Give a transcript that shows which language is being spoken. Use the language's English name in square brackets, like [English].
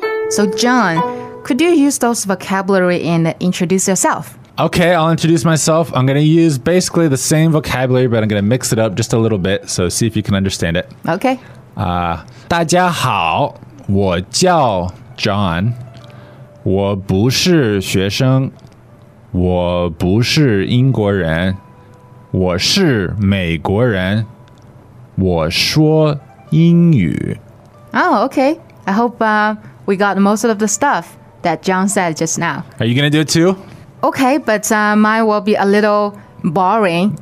[English] So John, could you use those vocabulary and introduce yourself? Okay, I'll introduce myself. I'm going to use basically the same vocabulary, but I'm going to mix it up just a little bit, so see if you can understand it. Okay. [Chinese] 大家好，我叫John, 我不是学生，我不是英国人，我是美国人。我说英语. [English] Oh, okay. I hope we got most of the stuff that John said just now. Are you going to do it too? Okay, but mine will be a little boring.